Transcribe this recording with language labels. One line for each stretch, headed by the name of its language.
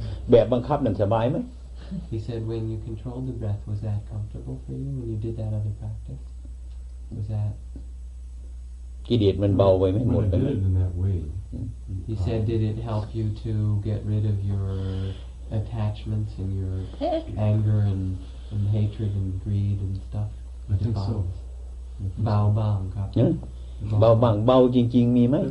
Thai: บันฮาของเขาเกิดอย่างนี้คือเขาเคยปฏิบัติกรรมฐานแบบอื่นแบบคิดว่าแบบฮินดูที่ให้บังคับที่นี่สองสามวันแล้วมันยังบังคับอยู่แบบบังคับนั้นสบายไหม
English: He said, when you controlled the breath, was that comfortable for you when you did that other practice? Was that... When I did it in that way. He said, did it help you to get rid of your attachments and your anger and hatred and greed and stuff? I think so.
Thai: เบาบ้างครับ เบาบ้าง เบาจริงๆมีไหม